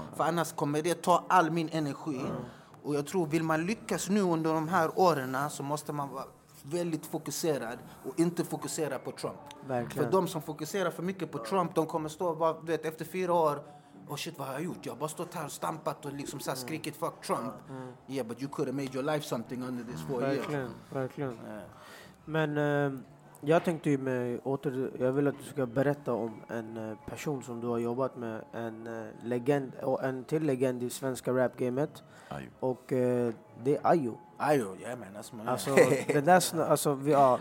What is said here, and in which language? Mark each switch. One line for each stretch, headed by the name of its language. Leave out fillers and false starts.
Swedish: För annars kommer det ta all min energi. Och jag tror, vill man lyckas nu under de här åren så måste man vara väldigt fokuserad och inte fokusera på Trump. Verkligen. För de som fokuserar för mycket på Trump, de kommer stå bara, vet, efter fyra år, oh shit, vad har jag gjort? Jag har bara stått här och stampat och liksom så skrikit fuck Trump. Mm.
English: Yeah, but you could have made your life something under this four
Swedish: years. Verkligen, verkligen. Men jag tänkte ju med åter, jag vill att du ska berätta om en person som du har jobbat med, en legend och en till legend i svenska rapgamet. Och det är Ayo. Ayo, ja men alltså. Alltså, vi är...